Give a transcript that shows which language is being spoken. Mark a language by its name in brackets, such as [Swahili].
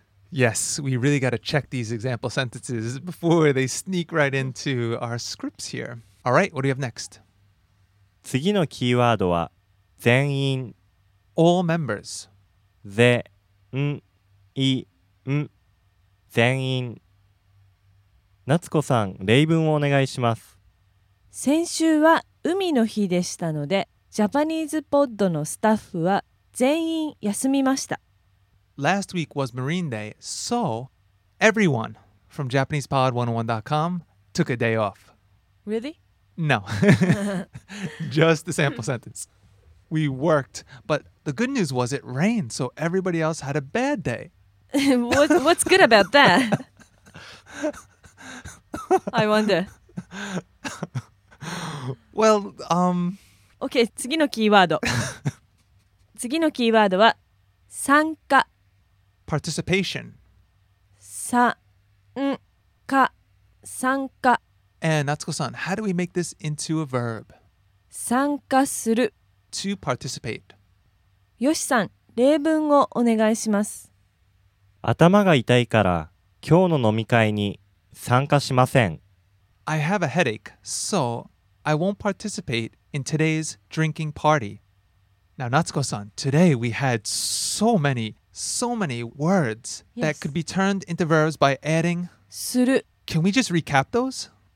[English] Yes, we really gotta check these example sentences before they sneak right into our scripts here. All right, what do you have next? [Japanese] 次のキーワードは全員。 [English] All members. [Japanese] 全員。全員。夏子さん、例文をお願いします。先週は海の日でしたので、ジャパニーズポッドのスタッフは全員休みました。 [English] Last week was Marine Day, so everyone from JapanesePod101.com took a day off. Really? No. Just the sample sentence. We worked, but the good news was it rained, so everybody else had a bad day. What's good about that? I wonder. Well, [Japanese] Okay, 次のキーワード。次のキーワードは参加。 [English] Participation. [Japanese] 参加、参加。 [English] And Natsuko-san, how do we make this into a verb? [Japanese] 参加する。 [English] To participate. [Japanese] Yoshi-san, 例文をお願いします。頭が痛いから今日の飲み会に参加しません。 [English] I have a headache, so I won't participate in today's drinking party. Now, Natsuko-san, today we had so many words that could be turned into verbs by adding [Japanese] する. [English] Can we just recap those?